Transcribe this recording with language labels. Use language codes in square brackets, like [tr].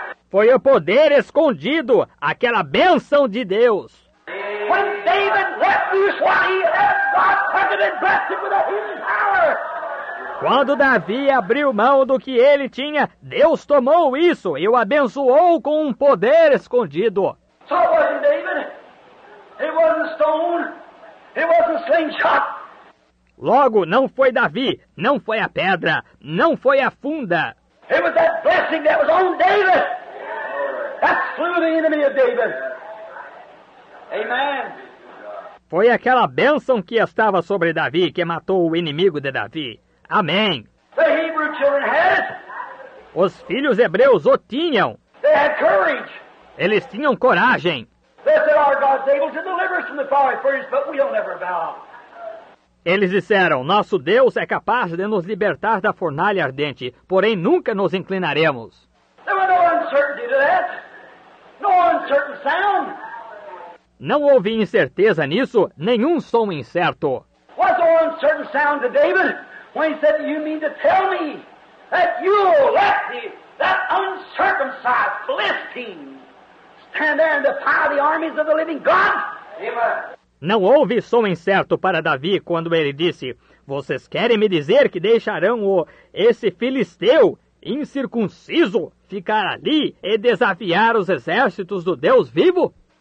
[pt] Foi o poder escondido, aquela bênção de Deus. [en] When David let loose what he had, God covered and blessed him with a hidden power. [pt] Quando Davi abriu mão do que ele tinha, Deus tomou isso e o abençoou com um poder escondido. [en] So it wasn't David. It wasn't stone. It wasn't slingshot. [pt] Logo, não foi Davi, não foi a pedra, não foi a funda. [en] It was that blessing that was on David that slew the enemy of David. Amen. [pt] Foi aquela bênção que estava sobre Davi que matou o inimigo de Davi. Amém. [en] The Hebrew children had it. [pt] Os filhos hebreus o tinham. [en] They had courage. [pt] Eles tinham coragem. [en] They said, our God's able to deliver us from the fiery furnace, but we'll never bow. [pt] Eles disseram, nosso Deus é capaz de nos libertar da fornalha ardente, porém nunca nos inclinaremos. [en] There was no uncertainty to that. No uncertain sound. [pt] Não houve incerteza nisso, nenhum som incerto. [en] Was there uncertain sound to David when he said, you mean to tell me that you let the, that uncircumcised Philistine stand there and defy the armies of the living God? Amen. [pt] Não houve som incerto para Davi quando ele disse, vocês querem me dizer que deixarão esse filisteu incircunciso ficar ali e desafiar os exércitos do Deus vivo?